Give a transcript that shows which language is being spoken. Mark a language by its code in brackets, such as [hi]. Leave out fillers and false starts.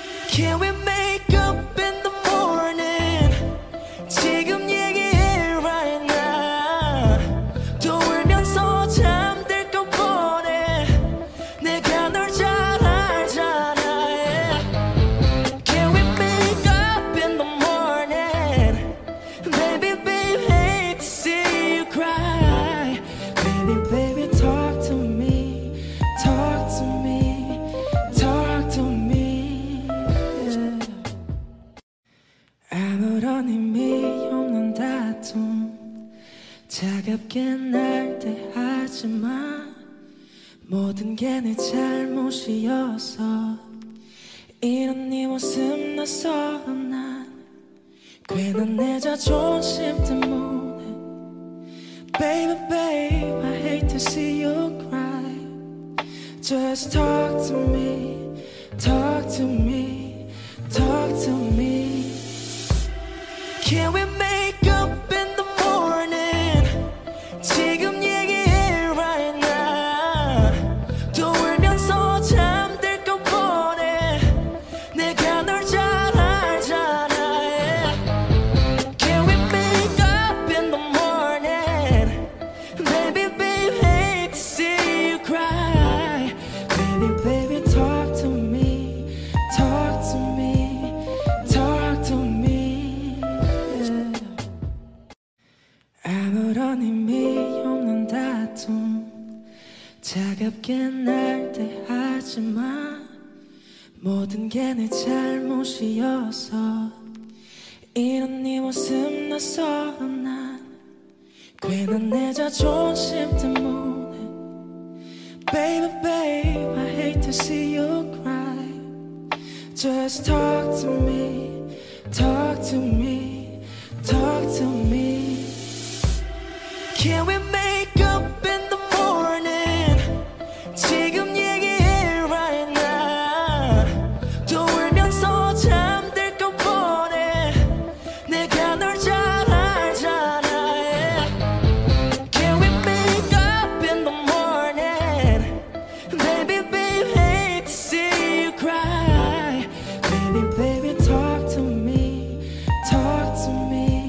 [en] Can we make up in the morning [ko] 지금 얘기해 [en] right now [ko] 또 울면서 잠들 것 뻔해 내가 널 잘 알잖아 yeah. [en] Can we make up in the morning Baby baby hate to see you cry Baby baby talk to me Talk to me Talk to me yeah. [ko] 아무런 의미 없는 다툼 차갑게 날 때 하지만 모든 게 내 잘못이어서 이런 네 모습 낯설어 난 괜한 내 자존심 때문에 [en] Baby babe I hate to see you cry Just talk to me [ko] Talk to me Talk to me [en] Can we make up in the morning [ko] 지금 얘기해 [en] right now [ko] 또 울면서 잠들 것 뻔해 내가 널 잘 알잖아 yeah. [en] Can we make up in the morning Baby baby hate to see you cry Baby baby talk to me Talk to me Talk to me yeah. [ko] 아무런 의미 없는 다툼 차갑게 날 때 하지만 모든 게 내 잘못이어서 이런 네 모습 낯설어 난 괜한 내 자존심 때문에 [en] Baby babe I hate to see you cry Just talk to me [ko] Talk to me Talk to me [en] Can we make up in the morning [ko] 지금 얘기해 [en] right now [ko] 또 울면서 잠들 것 뻔해 내가 널 잘 알잖아 yeah. [en] Can we make up in the morning Baby baby hate to see you cry Baby baby talk to me Talk to me